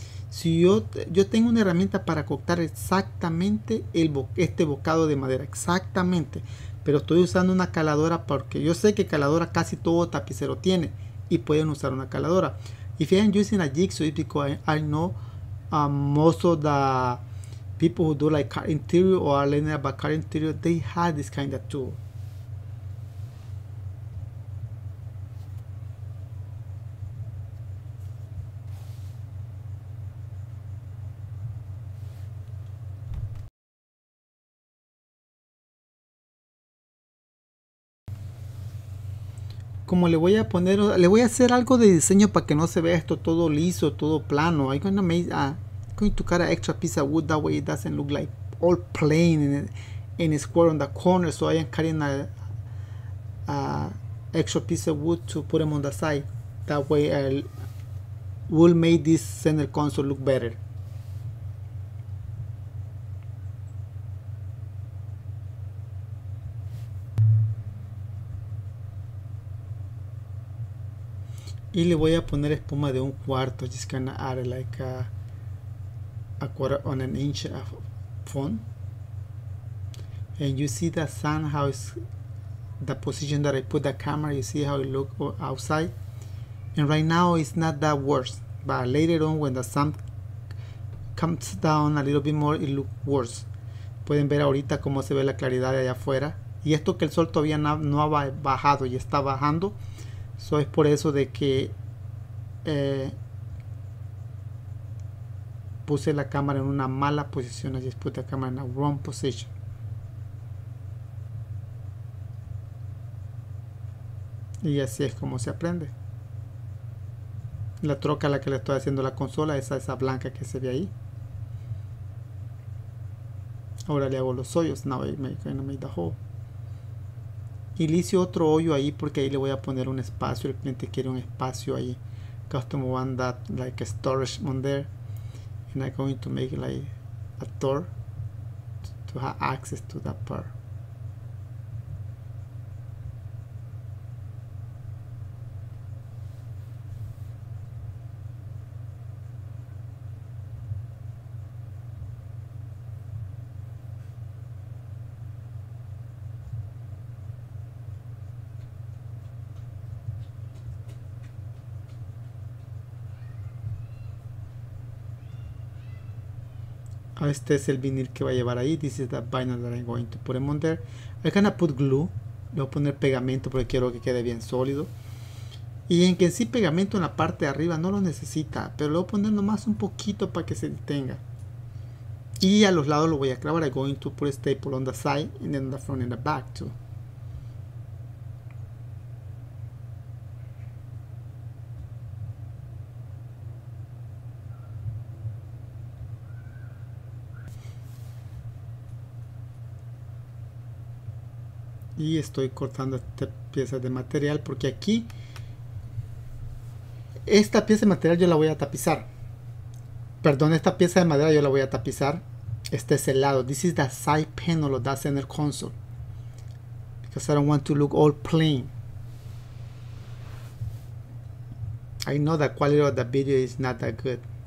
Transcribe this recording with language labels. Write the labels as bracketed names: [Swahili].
[Spanish] Si yo tengo una herramienta para cortar exactamente este bocado de madera, exactamente, pero estoy usando una caladora porque yo sé que caladora casi todo tapicero tiene y pueden usar una caladora. [English] If I'm using a jigsaw, it's because I know most of the people who do like car interior or are learning about car interior, they have this kind of tool. [Spanish] Como le voy a hacer algo de diseño para que no se vea esto todo liso, todo plano. [English] I'm gonna make going to cut an extra piece of wood, that way it doesn't look like all plain and square on the corner. So I am cutting a extra piece of wood to put them on the side. That way we'll make this center console look better. [Spanish] Y le voy a poner espuma de 1/4, [English] just gonna add like a quarter on an inch of foam. And you see the sun, how it's the position that I put the camera, you see how it look outside. And right now it's not that worse, but later on when the sun comes down a little bit more, it look worse. [Spanish] Pueden ver ahorita cómo se ve la claridad de allá afuera. Y esto que el sol todavía no ha bajado y está bajando. So es por eso de que puse la cámara en una mala posición, así es, puse la cámara en la [English] wrong position. [Spanish] Y así es como se aprende. La troca a la que le estoy haciendo la consola, esa blanca que se ve ahí. Ahora le hago los hoyos, [English] now I'm going to make the hole. [Spanish] Y le hice otro hoyo ahí porque ahí le voy a poner un espacio. El cliente quiere un espacio ahí. [English] Custom one that like a storage on there. And I'm going to make like a door to have access to that part. [Spanish] Este es el vinil que va a llevar ahí. [English] This is the vinyl that I'm going to put him on there. I'm gonna put glue. [Spanish] Le voy a poner pegamento porque quiero que quede bien sólido. Y en que en sí pegamento en la parte de arriba no lo necesita, pero lo voy a poner nomás un poquito para que se detenga. Y a los lados lo voy a clavar. [English] I'm going to put a staple on the side and then on the front and the back too. [Spanish] Y estoy cortando esta pieza de material porque aquí esta pieza de material yo la voy a tapizar. Perdón, esta pieza de madera yo la voy a tapizar. Este es el lado. [English] This is the side panel of the center console. Because I don't want to look all plain. I know the quality of the video is not that good.